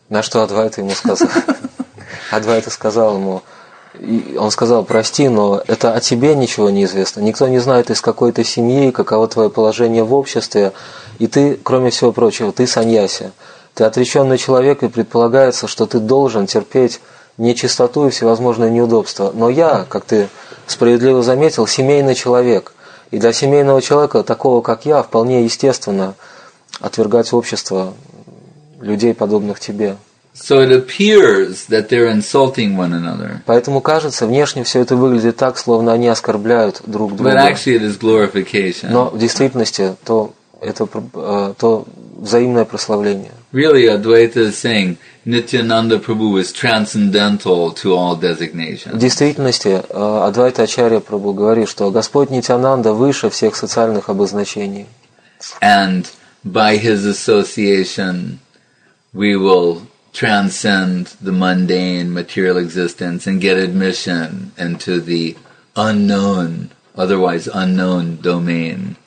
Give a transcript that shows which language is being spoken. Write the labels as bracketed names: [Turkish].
[Russian] На что Адвайта ему сказал. Адвайта сказал ему, он сказал, прости, но это о тебе ничего не известно. Никто не знает, из какой ты семьи, каково твое положение в обществе. И ты, кроме всего прочего, ты саньяси. Ты отреченный человек, и предполагается, что ты должен терпеть нечистоту и всевозможные неудобства. Но я, как ты справедливо заметил, семейный человек. И для семейного человека, такого как я, вполне естественно отвергать общество людей, подобных тебе. [English] So it appears that they're insulting one another. [Russian] Поэтому кажется, внешне все это выглядит так, словно они оскорбляют друг друга. [English] But actually it is glorification. [Russian] Но в действительности это взаимное прославление. [English] Really, Advaita is saying Nityananda Prabhu is transcendental to all designations. [Russian] В действительности, Адвайта Ачарья Прабху говорит, что Господь Нитянанда выше всех социальных обозначений. [English] And by his association we will transcend the mundane material existence and get admission into the unknown, otherwise unknown domain.